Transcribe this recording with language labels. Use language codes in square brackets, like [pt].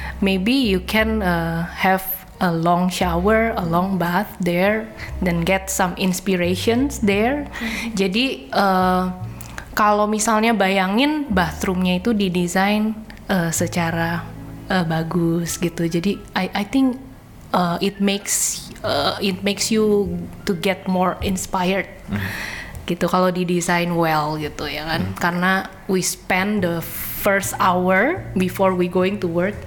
[en] Maybe you can have a long shower, a long bath there, then get some inspirations there. [id] Jadi kalau misalnya bayangin bathroomnya itu didesain secara bagus gitu. Jadi [en] I think it makes you to get more inspired. [id] Gitu kalau didesain [en] well [id] gitu ya kan. Karena [en] we spend the first hour before we going to work,